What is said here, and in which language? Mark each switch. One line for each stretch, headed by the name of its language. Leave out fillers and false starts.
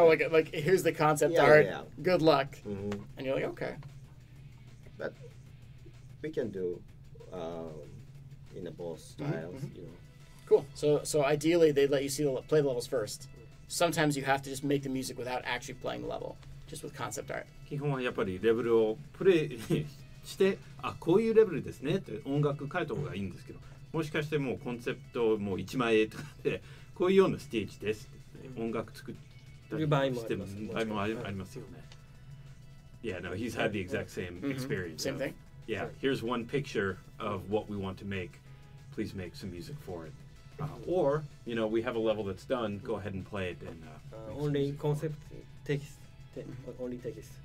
English: Oh, like here's the concept art, good luck. Mm-hmm. And you're like, okay. But we can do in a boss style, you know. Cool, so ideally they let you see play the levels first. Sometimes you have to just make the music without actually playing the level. Just with concept art.
Japanese: 基本はやっぱりレベルをプレイして、あ、こういうレベルですねって音楽変えた方がいいんですけど、もしかしてもうコンセプトもう1枚絵とかで、こういうようなステージですって音楽作ったりしてます。場合もありますよね。
English: Yeah, no, he's had the exact same experience. Same thing? Yeah, here's one picture of what we want to make. Please make some music for it. Or, you know, we have a level that's done. Go ahead and play it. And only concept text. Only text.